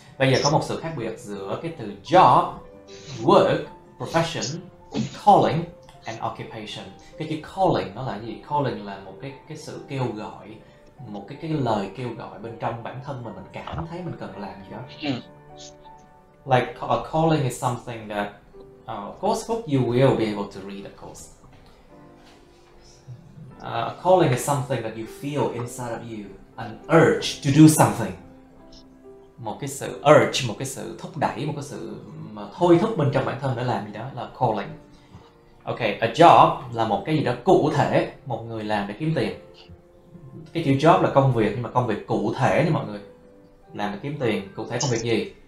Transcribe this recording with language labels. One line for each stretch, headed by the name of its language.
Vietnamese: Bây giờ có một sự khác biệt giữa cái từ job, work, profession,
English: calling and occupation.
Vietnamese: Cái chữ calling nó là gì? Calling là một cái sự kêu gọi, một cái lời kêu gọi bên trong bản thân mình cảm thấy mình cần làm gì đó.
English: Like a calling is something that of course you will be able to read, of course. A calling is something that you feel inside of you, an urge to do something.
Vietnamese: Một cái sự urge, một cái sự thúc đẩy, một cái sự mà thôi thúc bên trong bản thân để làm gì đó là calling. Okay, a job là một cái gì đó cụ thể một người làm để kiếm tiền. Cái chữ job là công việc, nhưng mà công việc cụ thể nha mọi người. Làm để kiếm tiền, cụ thể công việc gì?